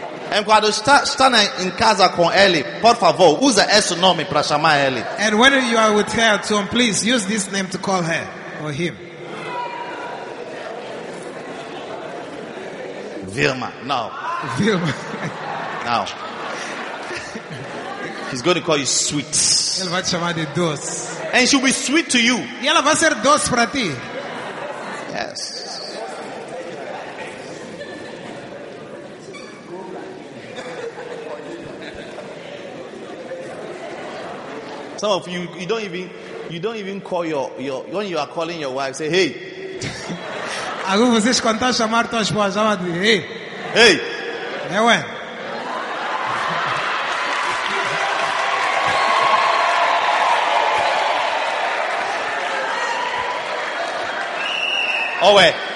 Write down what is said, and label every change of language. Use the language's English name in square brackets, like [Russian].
[Portuguese] Enquanto está em casa com ele, por favor, use esse nome para chamar ele. [English] And when you are with her, so please use this name to call her or him. Vilma, now. Vilma. Now. He's going to call you sweet. [Portuguese] Ele vai te chamar de doce. [English] And she'll be sweet to you. [Portuguese] E ela vai ser doce para ti. [English] Yes. Some of you don't even call your when you are calling your wife, say, hey, [Portuguese] Agora vocês contam chamar tua esposa, ela diz: ei, ei, é ué. Oh, ué.